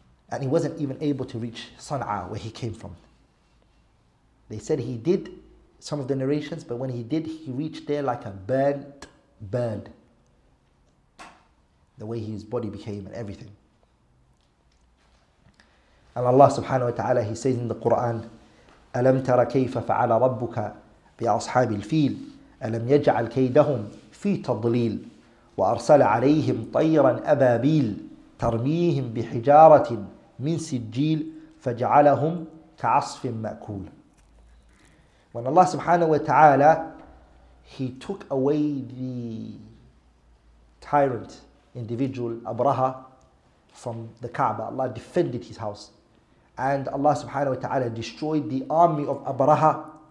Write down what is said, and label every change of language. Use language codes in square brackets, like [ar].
[en] And he wasn't even able to reach Sana'a, where he came from. They said he did some of the narrations, but when he did, he reached there like a burnt bird. The way his body became and everything. And Allah subhanahu wa ta'ala, he says in the Quran, [ar] أَلَمْ تَرَ كَيْفَ فَعَلَ رَبُّكَ بِأَصْحَابِ الْفِيلِ أَلَمْ يَجْعَلْ كَيْدَهُمْ فِي تَضْلِيلِ وَأَرْسَلَ عَلَيْهِمْ طَيْرًا أَبَابِيلَ تَرْمِيهِمْ بِحِجَارَةٍ مِنْ سِجِّيلٍ فَجَعَلَهُمْ كَعَصْفٍ مَأْكُولٍ. [en] When Allah subhanahu wa ta'ala, he took away the tyrant individual, Abraha, from the Kaaba, Allah defended his house. And Allah subhanahu wa ta'ala destroyed the army of Abraha.